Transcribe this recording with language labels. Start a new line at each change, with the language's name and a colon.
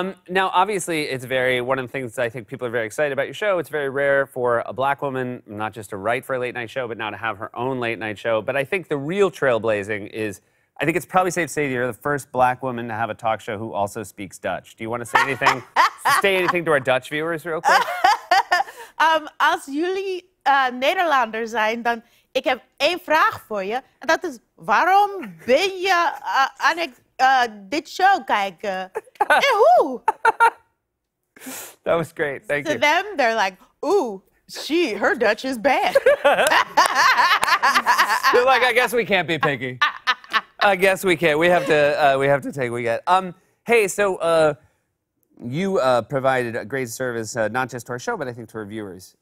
English: Now, obviously, it's very, one of the things I think people are very excited about your show, it's very rare for a black woman not just to write for a late-night show, but now to have her own late-night show. But I think the real trailblazing is, I think it's probably safe to say that you're the first black woman to have a talk show who also speaks Dutch. Do you want to say anything? Say anything to our Dutch viewers real quick?
Dutch: Als jullie Nederlander zijn, dan ik heb één vraag voor je. En dat is, waarom ben je aan dit show kijken? En hoe?
English: That was great. Thank you. To them, they're like, ooh, her Dutch is bad. They're like, I guess we can't be picky. I guess we can't. We have to take what we get. Hey, so you provided a great service, not just to our show, but I think to our viewers.